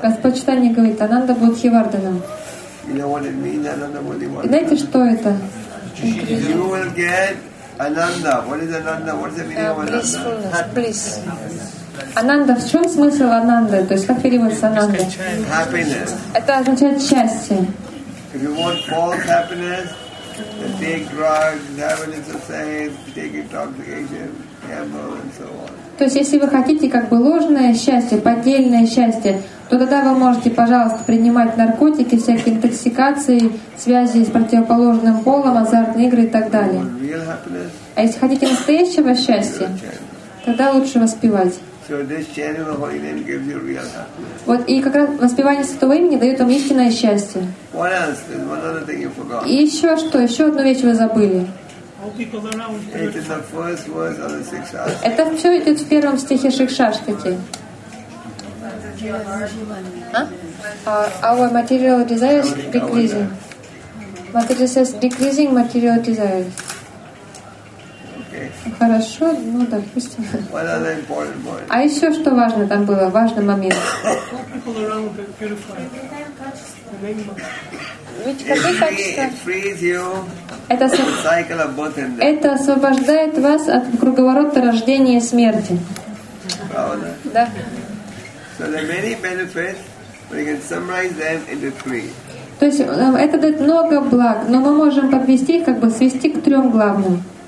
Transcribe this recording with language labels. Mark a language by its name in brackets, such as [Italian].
[Russian] Господь Чайтанья говорит, Ананда Бодхи Вардханам. [English] You know what it means, Ананда Бодхи Вардханам? [Russian] Знаете, что это? [English] You will get Ananda. What is Ananda? What is the meaning of Ananda? Blissfulness. Bliss. [Russian] Ананда, в чем смысл Ананды? То есть как переводится Ананда? [English] Happiness. [Russian] Это означает счастье. [English] If you want false happiness, take drugs, heaven is the same, take intoxication, gamble and so on. [Russian] То есть если вы хотите как бы ложное счастье, поддельное счастье, то тогда вы можете, пожалуйста, принимать наркотики, всякие интоксикации, связи с противоположным полом, азартные игры и так далее. А если хотите настоящего счастья, тогда лучше воспевать. [English] So this chanting of holy name gives you real happiness. [Russian] Вот и как раз воспевание святого имени дает вам истинное счастье. [English] What else? There's one other thing you forgot. [Russian] И еще что? Еще одну вещь вы забыли. [English] It is the first verse of the Шикшаштхи. [Russian] Это все идет в первом стихе Шикшаштхи. [English] Our material desires decreasing. Material says decreasing material desires. [Russian] Хорошо, ну допустим. А еще что важно там было, важный момент. Ведь какие качества? Это освобождает вас от круговорота рождения и смерти. Правда? Да. [English] So there are many benefits, but you can summarize them into three. [Russian] То есть это дает много благ, но мы можем подвести, как бы свести к трем главным.